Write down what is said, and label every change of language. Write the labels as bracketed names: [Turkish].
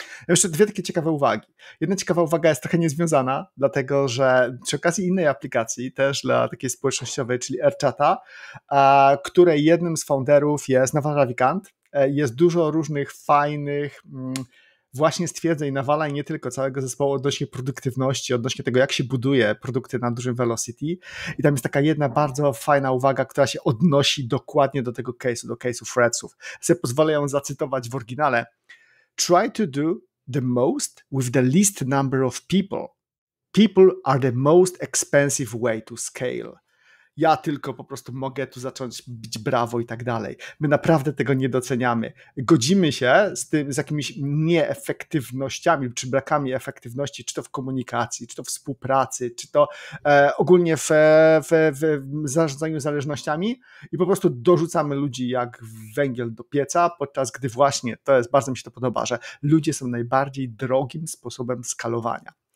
[Polish] Jeszcze dwie takie ciekawe uwagi. Jedna ciekawa uwaga jest trochę niezwiązana, dlatego że przy okazji innej aplikacji, też dla takiej społecznościowej, czyli AirChata, której jednym z founderów jest Naval Ravikant, jest dużo różnych fajnych właśnie stwierdzeń Nawala i nie tylko całego zespołu odnośnie produktywności, odnośnie tego, jak się buduje produkty na dużym velocity. I tam jest taka jedna bardzo fajna uwaga, która się odnosi dokładnie do tego case'u, do case'u Threadsów. Sobie pozwolę ją zacytować w oryginale. [English] Try to do the most with the least number of people. People are the most expensive way to scale. [Polish] Ja tylko po prostu mogę tu zacząć bić brawo i tak dalej. My naprawdę tego nie doceniamy. Godzimy się z tym, z jakimiś nieefektywnościami czy brakami efektywności, czy to w komunikacji, czy to w współpracy, czy to ogólnie w zarządzaniu zależnościami i po prostu dorzucamy ludzi jak węgiel do pieca, podczas gdy właśnie, to jest, bardzo mi się to podoba, że ludzie są najbardziej drogim sposobem skalowania.